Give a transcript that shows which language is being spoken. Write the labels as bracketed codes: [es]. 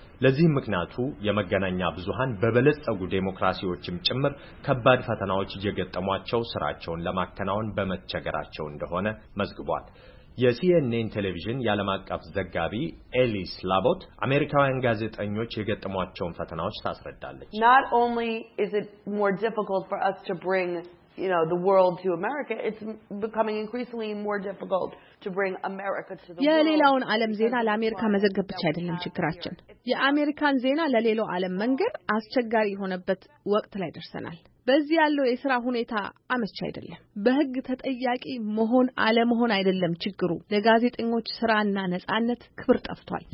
[am] ለዚህ ምክንያቱ የመገናኛ ብዙሃን በበለጸጉ ዴሞክራሲዎችም ጭምር ከባድ ፈተናዎች እየገጠሟቸው ስራቸውን ለማከናወን በመቸገራቸው እንደሆነ መዝግቧል። የሲኤንኤን ቴሌቪዥን ያለም አቀፍ ዘጋቢ ኤሊስ ላቦት አሜሪካውያን ጋዜጠኞች የገጠሟቸውን ፈተናዎች ታስረዳለች። [en] Not only is it more difficult for us to bring, you know, the world to America, it's becoming increasingly more difficult to bring America to the world. [am] የሌላውን ዓለም ዜና ለአሜሪካ መዘገብ ብቻ አይደለም ችግራችን። የአሜሪካን ዜና ለሌላው ዓለም መንገር አስቸጋሪ የሆነበት ወቅት ላይ ደርሰናል። በዚህ ያለው የሥራ ሁኔታ አመች አይደለም። በሕግ ተጠያቂ መሆን አለ መሆን አይደለም ችግሩ። ለጋዜጠኞች ሥራና ነጻነት ክብር ጠፍቷል።